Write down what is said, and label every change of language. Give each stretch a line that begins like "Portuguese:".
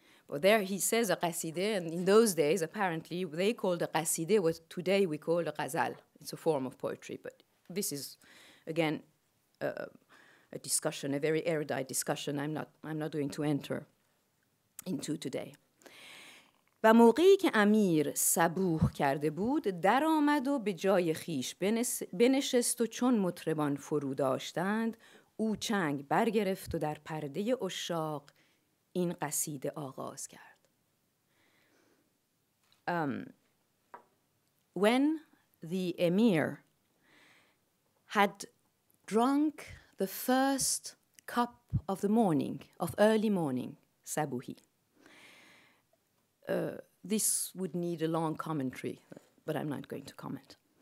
English: Well, there he says a qaside, and in those days, apparently, they called a qaside what today we call a ghazal. It's a form of poetry, but this is, again, a discussion, a very erudite discussion I'm not going to enter into today.
Persian: و موقعی که امیر صبوح کرده بود در آمد و به جای خیش بنشست و چون مطربان فرو داشتند او چنگ برگرفت و در پرده عشاق این قصیده آغاز کرد.
English: When the emir had drunk the first cup of the morning, of early morning, sabuhi. This would need a long commentary, but I'm not going to comment.